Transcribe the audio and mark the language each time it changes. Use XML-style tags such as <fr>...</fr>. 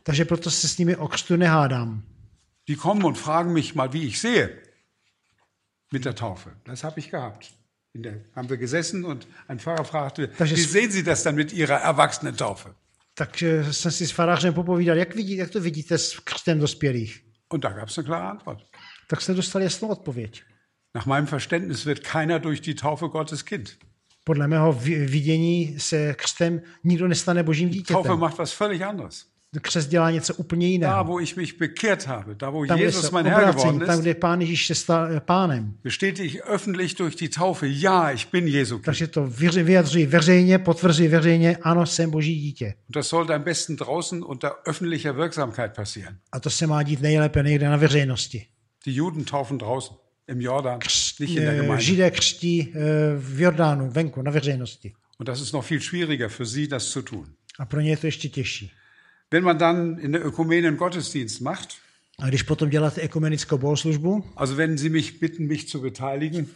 <cs>Takže proto se s nimi o křtu nehádám.</cs> <de>Die kommen und fragen mich mal, wie ich sehe mit der Taufe. Das habe ich gehabt. In der, haben wir gesessen und ein Pfarrer fragte, takže wie sehen Sie das dann mit Ihrer Erwachsenentaufe?</de> <cs>Takže jsem si s farářem popovídal, jak to vidíte s křtem dospělých?</cs> <de>Und da gab es eine klare Antwort.</de> <cs>Tak jste dostal jasnou odpověď.</cs> <de>Nach meinem Verständnis wird keiner durch die Taufe Gottes Kind.</de> <cs>Podle mého vidění se křtem nikdo nestane Božím dítětem.</cs> <de>Die Taufe macht was völlig anderes.</de> <cs>Křest dělá něco úplně jiného.</cs> <de>Da, wo ich mich bekehrt habe, da, wo tam, Jesus mein Herr geworden ist,</de> <cs>tam, kde Pán Ježíš se stal pánem.</cs> <de>Bestätige öffentlich durch die Taufe, ja, ich bin Jesu Kind.</de> <cs>Takže to vyjadřuji veřejně, potvrzuji veřejně, ano, jsem Boží dítě.</cs> <de>Und das sollte am besten draußen unter öffentlicher Wirksamkeit passieren.</de> <cs>A to se má dít nejlépe někde na veřejnosti.</cs> <de>Die Juden taufen draußen, im Jordan, nicht in der Gemeinde.</de> <cs>Židé křtí v Jordánu, venku, na veřejnosti.</cs> <de>Und das ist noch viel schwieriger für sie, das zu tun.</de> <cs>A pro ně je to ještě těžší.</cs> <de>Wenn man dann in der Ökumene einen Gottesdienst macht,</de> <cs>a když potom děláte ekumenickou bohoslužbu,</cs> <de>also wenn Sie mich bitten, mich zu beteiligen,</de>